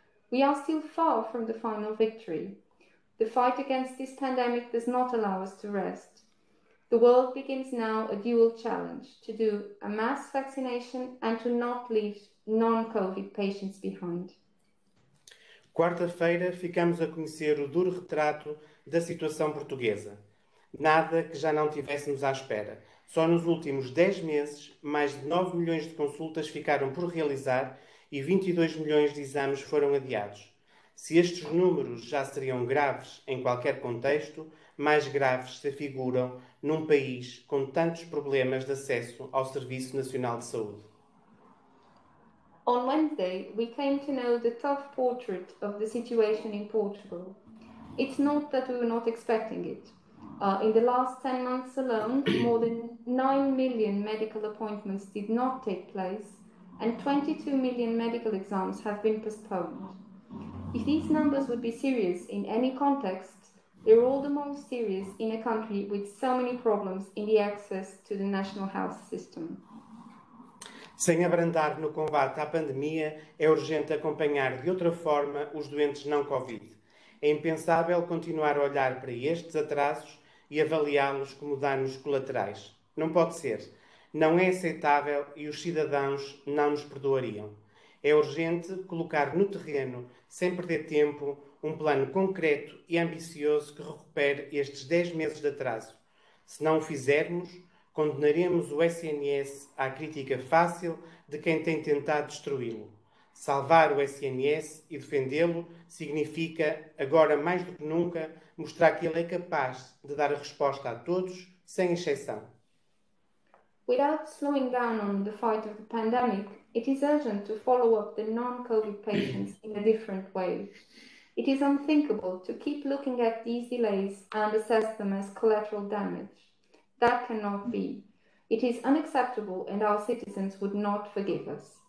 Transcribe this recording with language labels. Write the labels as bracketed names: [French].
[English] We are still far from the final victory. The fight against this pandemic does not allow us to rest. The world begins now a dual challenge to do a mass vaccination and to not leave non-COVID patients behind. [Portuguese] Quarta-feira ficamos a conhecer o duro retrato da situação portuguesa. Nada que já não tivéssemos à espera. Só nos últimos 10 meses, mais de 9 milhões de consultas ficaram por realizar e 22 milhões de exames foram adiados. Se estes números já seriam graves em qualquer contexto, mais graves se figuram num país com tantos problemas de acesso ao Serviço Nacional de Saúde. [English] On Wednesday, we came to know the tough portrait of the situation in Portugal. It's not that we were not expecting it. In the last 10 months alone, more than 9 million medical appointments did not take place, and 22 million medical exams have been postponed. If these numbers would be serious in any context, they're all the more serious in a country with so many problems in the access to the national health system. [Portuguese] Sem abrandar no combate à pandemia, é urgente acompanhar de outra forma os doentes não Covid. É impensável continuar a olhar para estes atrasos e avaliá-los como danos colaterais. Não pode ser. Não é aceitável e os cidadãos não nos perdoariam. É urgente colocar no terreno, sem perder tempo, um plano concreto e ambicioso que recupere estes 10 meses de atraso. Se não o fizermos, condenaremos o SNS à crítica fácil de quem tem tentado destruí-lo. Salvar o SNS e defendê-lo significa, agora mais do que nunca, mostrar que ele é capaz de dar a resposta a todos, sem exceção. [English] Without slowing down on the fight of the pandemic, it is urgent to follow up the non-COVID patients in a different way. It is unthinkable to keep looking at these delays and assess them as collateral damage. That cannot be. It is unacceptable and our citizens would not forgive us.